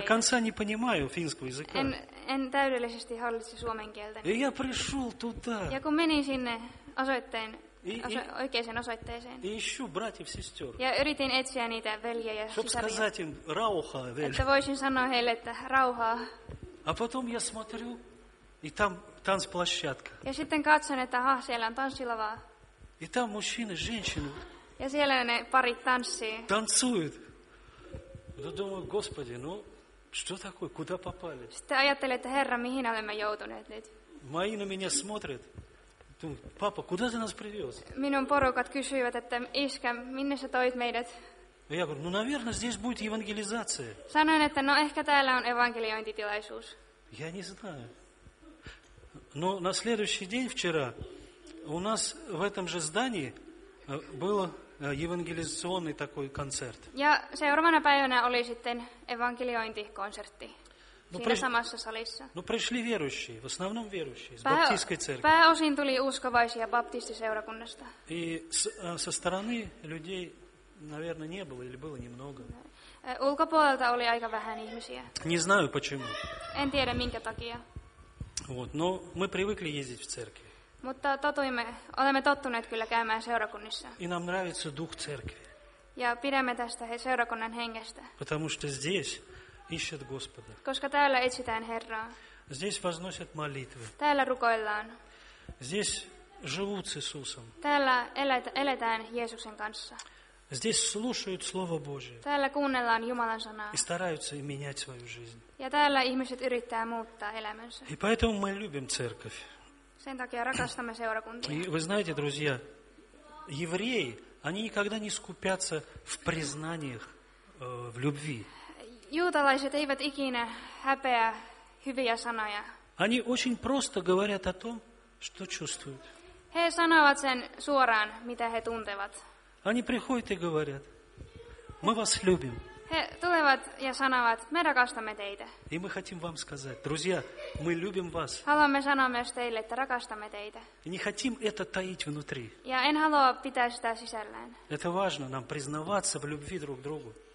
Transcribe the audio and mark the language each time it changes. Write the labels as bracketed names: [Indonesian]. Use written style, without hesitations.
[Russian] До конца не понимаю финского языка. [Finnish] En täydellisesti hallitse suomen kieltä. [Russian] Я пришёл туда. [Finnish] Ja kun menin sinne osoitteen oikeaan osoitteeseen. [Russian] Ищу братьев и сестёр. [Finnish] Ja yritin etsiä niitä veljejä ja [Russian] сестёр. Чтобы сказать им рауха, вель. [Finnish] Että voisin sanoa heille, että rauhaa. [Russian] А потом я смотрю, и там танцплощадка. [Finnish] Ja sitten katson, että ha, siellä on tanssilava. [Russian] И там мужчины, женщины. [Finnish] Ja siellä ne parit tanssii. [Russian] Танцуют. Я думаю: "Господи, ну что такое? Куда попали?" [Finnish] Sitten ajattelin, että Herra, mihin olemme joutuneet nyt. [Russian] Мои на меня смотрят. Думают: "Папа, куда ты нас привез?" [Finnish] Minun porukat kysyivät, että iskä, minne sä toit meidät? [Russian] Я говорю: "Ну, наверное, здесь будет евангелизация." [Finnish] Sanoin, että no ehkä täällä on evankeliointitilaisuus. [Russian] Я не знаю. Но на следующий день, вчера, у нас в этом же здании был евангелизационный такой концерт. [Finnish] Ja seuraavana päivänä oli sitten evankeliointikonsertti samassa salissa. [Russian] Ну, пришли верующие, в основном верующие, из баптистской церкви. [Finnish] Pääosin tuli uskovaisia baptistiseurakunnasta. [Russian] И со стороны людей, наверное, не было или было немного. [Finnish] Ulkopuolelta oli aika vähän ihmisiä. [Russian] Не знаю почему. [Finnish] En tiedä minkä takia. [Russian] Вот, но мы привыкли ездить в церкви. [Finnish] Mutta olemme tottuneet kyllä käymään seurakunnissa. [Russian] И нам нравится дух церкви. [Finnish] Ja pidämme tästä seurakunnan hengestä. [Russian] Потому что здесь ищет Господа. [Finnish] Koska täällä etsitään Herraa. [Russian] Здесь возносят молитвы. [Finnish] Täällä rukoillaan. [Russian] Здесь живут с Иисусом. [Finnish] Täällä eletään Jeesuksen kanssa. [Russian] Здесь слушают Слово Божие. [Finnish] Täällä kuunnellaan Jumalan sanaa. [Russian] И стараются менять свою жизнь. [Finnish] Ja täällä ihmiset yrittää muuttaa elämänsä. [Russian] И поэтому мы любим церковь. [Finnish] Sen takia rakastamme seurakuntia. [Russian] И вы знаете, друзья, евреи они никогда не скупятся в признаниях в любви. [Finnish] Juutalaiset eivät ikinä häpeä hyviä sanoja. [Russian] Они очень просто говорят о том, что чувствуют. [Finnish] He sanovat sen suoraan, mitä he tuntevat. [Russian] Они приходят и говорят: мы вас любим. [Finnish] He tulevat ja sanovat: me rakastamme teitä. [Russian] И мы хотим вам сказать: друзья, мы любим вас. [Finnish] Haluamme sanoa myös teille, että rakastamme teitä. [Russian] И не хотим это таить внутри. [Finnish] Ja en halua pitää sitä sisällään. [Russian] Это важно нам признаваться в любви друг к другу.